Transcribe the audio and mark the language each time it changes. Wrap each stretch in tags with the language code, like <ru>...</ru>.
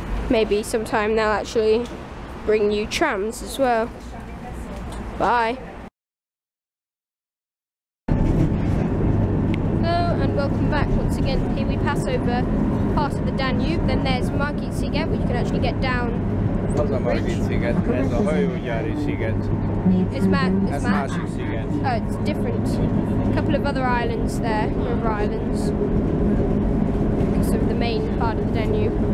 <en>Maybe sometime they'll actually bring new trams as well. Bye. Hello, and welcome back once again. Here we pass over part of the Danube, then there's Market Sziget, which you can actually get down.</en> <hu>Az a Margit-sziget, ez a hajógyári-sziget. Ez másik-sziget.</hu> <en>Oh, it's different. A couple of other islands there, river islands. Because of the main part of the Danube.</en>